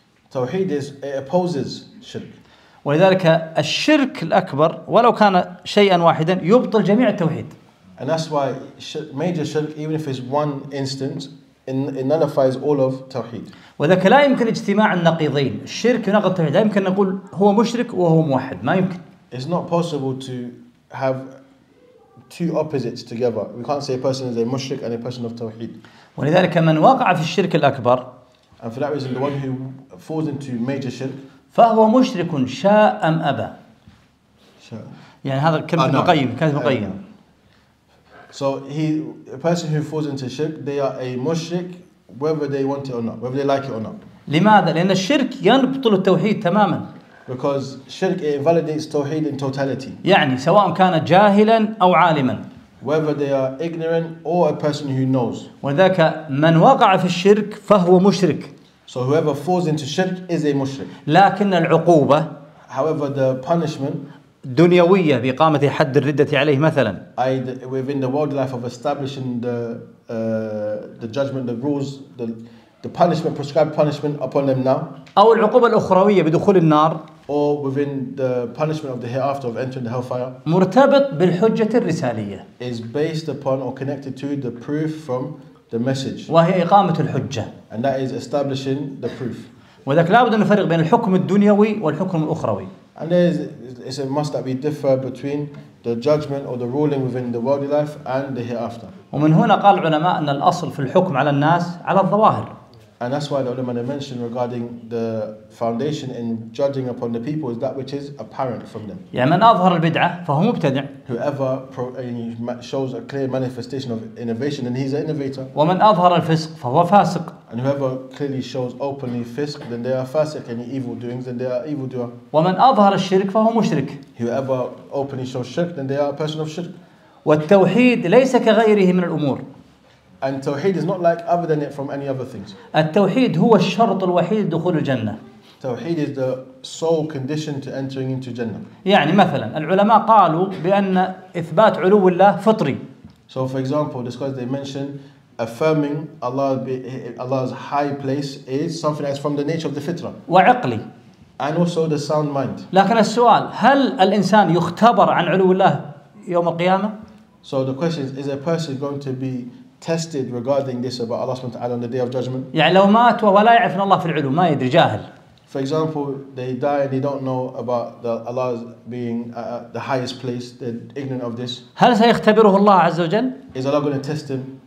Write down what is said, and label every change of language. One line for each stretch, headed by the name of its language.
English: توحيد is it opposes shirk.
Arabic: ولذلك الشرك الأكبر ولو كان شيئا واحدا يبطل جميع التوحيد.
English: And that's why major shirk, even if it's one instance, it nullifies all of tawhid.
Arabic: وذلك لا يمكن اجتماع النقيضين. الشرك يناقض التوحيد. لا يمكن نقول هو مشرك وهو موحد. ما يمكن.
English: It's not possible to have two opposites together. We can't say a person is a mushrik and a person of tawhid.
Arabic: ولذلك من وقع في الشرك الأكبر.
English: And for that reason, the one who falls into major shirk.
Arabic: فهو مشرك شاء أم أبا. يعني هذا كلمة مقيم.
English: So a person who falls into shirk, they are a mushrik whether they want it or not, whether they like it or not.
Arabic: لماذا؟ لأن الشرك ينبطل التوحيد تماما.
English: Because shirk invalidates tawhid in totality.
Arabic: يعني سواء كان جاهلا أو عالما.
English: Whether they are ignorant or a person who knows.
Arabic: وذاك من وقع في الشرك فهو مشرك.
English: So whoever falls into shirk is a mushrik.
Arabic: لكن العقوبة.
English: However, the punishment.
Arabic: دنيوية بإقامة حد الردة عليه مثلاً.
English: Within the world life of establishing the judgment, the rules, the punishment, prescribed punishment upon them now.
Arabic: أو العقوبة الأخروية بدخول النار.
English: or within the punishment of the hereafter of entering the hellfire.
Arabic: مرتبط بالحجة الرسالية.
English: Is based upon or connected to the proof from the message.
Arabic: وهي إقامة الحجة.
English: And that is establishing the proof.
Arabic: وذاك لابد أن نفرق بين الحكم الدنيوي والحكم الأخروي.
English: And it must that be differ between the judgment or the ruling within the worldly life and the hereafter.
Arabic: ومن هنا قال العلماء أن الأصل في الحكم على الناس على الظواهر.
English: And that's why the ulama mentioned regarding the foundation in judging upon the people is that which is apparent from them.
Arabic: يعني من أظهر البدعة فهو مبتدع.
English: Whoever shows a clear manifestation of innovation, then he's an innovator.
Arabic: ومن أظهر الفسق فهو فاسق.
English: And whoever clearly shows openly fisk, then they are fasik, any evil doings, then they are evil doer.
Arabic: ومن أظهر الشرك فهو مشرك.
English: Whoever openly shows shirk, then they are a person of shirk.
Arabic: والتوحيد ليس كغيره من الأمور.
English: And tawheed is not like other than it from any other things.
Arabic: التوحيد هو الشرط الوحيد لدخول الجنة.
English: Tawheed is the sole condition to entering into Jannah.
Arabic: يعني مثلا العلماء قالوا بأن إثبات علو الله فطري.
English: So for example, this course they mentioned affirming Allah's high place is something that's from the nature of the fitrah.
Arabic: وعقلي.
English: And also the sound mind.
Arabic: لكن السؤال هل الإنسان يختبر عن علو الله يوم القيامة؟
English: So the question is a person going to be tested regarding this about Allah subhanahu wa ta'ala on the day of judgment.
Arabic: يعني لو مات ولا يعرف الله في العلو ما يدري جاهل.
English: For example, they die and they don't know about Allah being the highest place. They're ignorant of this.
Arabic: هل سيختبره الله عز وجل؟
English: Is Allah going to test him?